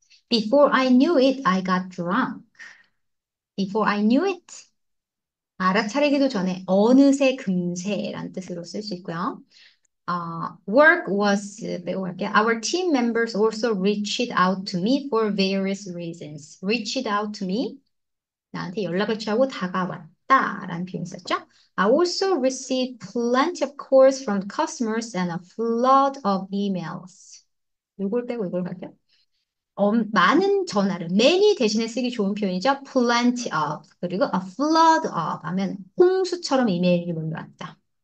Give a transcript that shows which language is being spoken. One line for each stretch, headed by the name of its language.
English: Before I knew it, I got drunk. Before I knew it.
Korean: 알아차리기도 전에, 어느새, 금세란 뜻으로 쓸수 있고요.
English: Work was,
Korean: 배워볼게요.
English: Our team members also reached out to me for various reasons. Reached out to me.
Korean: 나한테 연락을 취하고 다가왔다라는 표현 썼죠.
English: I also received plenty of calls from customers and a flood of emails.
Korean: 이걸 빼고 이걸 갈게요. 많은 전화를, many 대신에 쓰기 좋은 표현이죠. plenty of, 그리고
English: a flood of
Korean: 하면 홍수처럼 이메일이 몰려왔다.